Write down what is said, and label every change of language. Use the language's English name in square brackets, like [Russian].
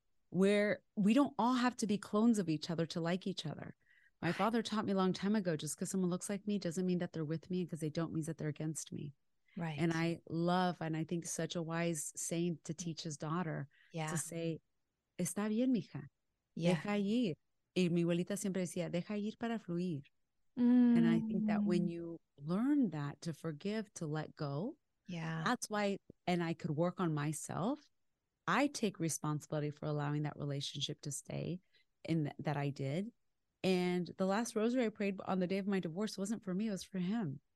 [English] Where we don't all have to be clones of each other to like each other. My father taught me a long time ago, just because someone looks like me doesn't mean that they're with me, and because they don't means that they're against me. Right. And I love, and I think such a wise saying to teach his daughter, yeah. to say, [Spanish] está bien, mija. [English] Yeah. [Spanish] Deja ir. Y mi abuelita siempre decía, deja ir para fluir. Mm. [English] And I think that when you learn that, to forgive, to let go, yeah, that's why, and I could work on myself. I take responsibility for allowing that relationship to stay in that I did. And the last rosary I prayed on the day of my divorce wasn't for me, it was for him.